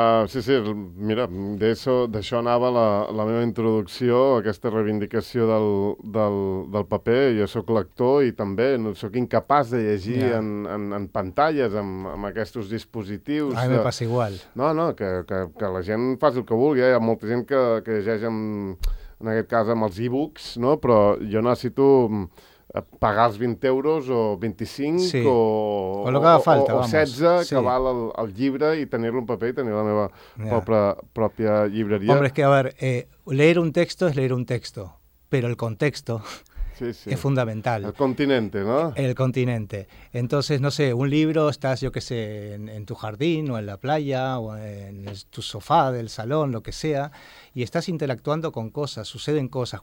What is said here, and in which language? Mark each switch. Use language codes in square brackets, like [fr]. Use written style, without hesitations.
[ca] Sí, mira, d'això anava la meva introducció, aquesta reivindicació del paper. Jo sóc lector i també no sóc incapaç de llegir en pantalles, amb aquests dispositius. A mi me passa igual. No, que la gent faci el que vulgui. Hi ha molta gent que llegeix, en aquest cas, amb els e-books, no? Però jo necessito... pagar els 20 euros o 25, sí. o 16, [es] vamos. [ca] Que sí. Val el llibre, i tenir-lo en paper i tenir la meva pròpia llibreria. [es] Hombre, es que, a ver, leer un texto es leer un texto, pero el contexto es fundamental. El continente, ¿no? El continente. Entonces, no sé, un libro, estás, yo qué sé, en tu jardín o en la playa o en tu sofá del salón, lo que sea, y estás interactuando con cosas, suceden cosas.